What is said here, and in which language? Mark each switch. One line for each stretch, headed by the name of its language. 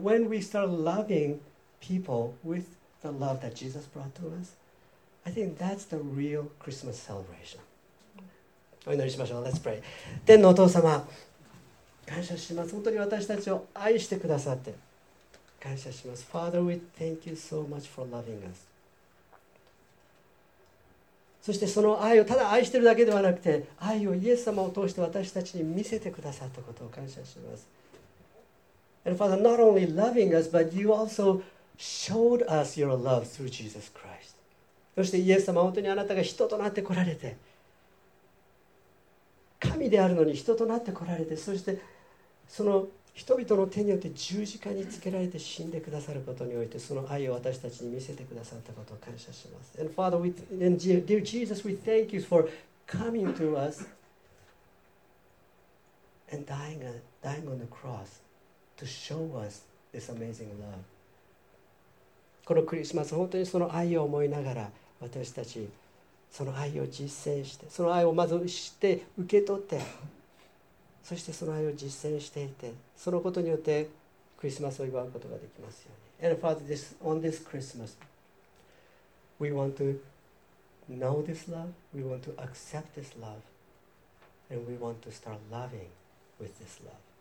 English: But when we start loving people with the love that Jesus brought to us, I think that's the real Christmas celebration.
Japanese: お祈りしましょう。
English: Let's pray.
Japanese: 天のお父様、感謝します。本当に私たちを愛してくださって感謝します。
English: Father, we thank you so much for loving us.
Japanese: そしてその愛をただ愛しているだけではなくて愛をイエス様を通して私たちに見せてくださったことを感謝します。
English: And Father, not only loving us, but you also showed us your love through Jesus Christ.
Japanese: そしてイエス様、本当にあなたが人となって来られて神であるのに人となって来られてそしてその人々の手によって十字架につけられて死んでくださることにおいてその愛を私たちに見せてくださったことを感謝します。
English: And Father, dear Jesus, we thank you for coming to us and dying on the cross to show us this amazing love.
Japanese: このクリスマス、本当にその愛を思いながら私たちその愛を実践して、その愛をまず知って受け取って、そしてその愛を実践していて、そのことによってクリスマスを祝うことができますように。
English: And Father, this, on this Christmas, we want to know this love, we want to accept this love, and we want to start loving with this love.